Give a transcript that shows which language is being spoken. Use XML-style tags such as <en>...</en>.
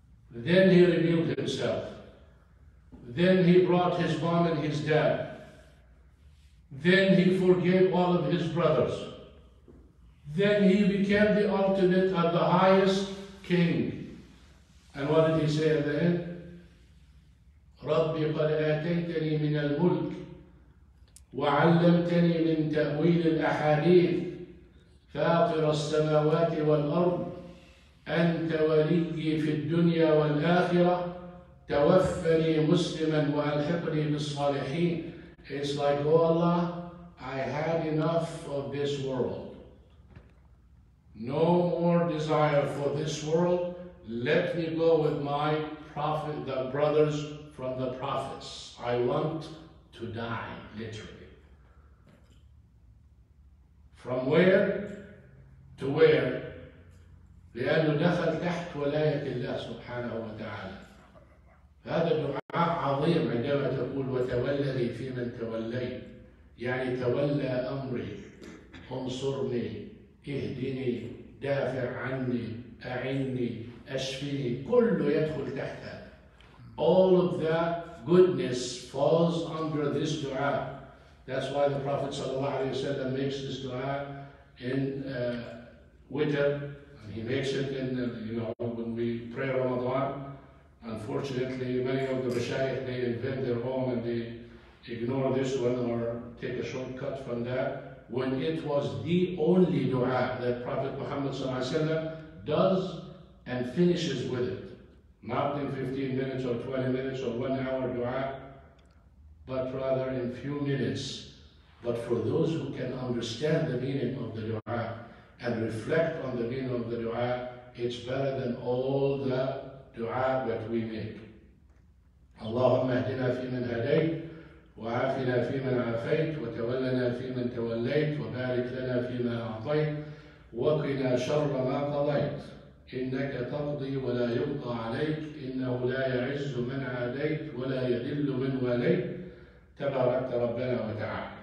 <en>Then he revealed himself. Then he brought his mom and his dad. Then he forgave all of his brothers. Then he became the ultimate and the highest king. And what did he say at the end?</en> <ar>رَبِّ قَدْ آتَيْتَنِي مِنَ الْمُلْكِ وَعَلَّمْتَنِي مِنْ تَأْوِيلِ الْأَحَادِيثِ فَاطِرَ السَّمَاوَاتِ وَالْأَرْضِ أنت ولي في الدنيا والآخرة توفني مسلما وألحقني بالصالحين.</ar> <en>It's like, oh Allah, I had enough of this world. No more desire for this world. Let me go with my prophet, the brothers from the prophets. I want to die, literally. From where to where?</en> <ar>لأنه دخل تحت ولاية الله سبحانه وتعالى. هذا دعاء عظيم عندما تقول وتولني في من تولي, يعني تولى أمري, انصرني, اهدني, دافع عني, أعني, أشفني, كله يدخل تحتها.</ar> <en>All of that goodness falls under this دعاء. That's why the Prophet</en> <ar>صلى الله عليه وسلم</ar> <en>makes this دعاء in Witr. He makes it in, you know, when we pray Ramadan. Unfortunately, many of the mashayikh, they invent their home and they ignore this one or take a shortcut from that. When it was the only dua that Prophet Muhammad does and finishes with it. Not in 15 minutes or 20 minutes or 1 hour dua, but rather in few minutes. But for those who can understand the meaning of the dua, and reflect on the meaning of the dua, it's better than all the dua that we make.</en> <ar>اللهم اهدنا فيمن هديت، وعافنا فيمن عافيت، وتولنا فيمن توليت، وبارك لنا فيما أعطيت، وقنا شر ما قضيت، إنك تقضي ولا يقضى عليك، إنه لا يعز من عاديت ولا يذل من واليت، تبارك ربنا وتعالى.</ar>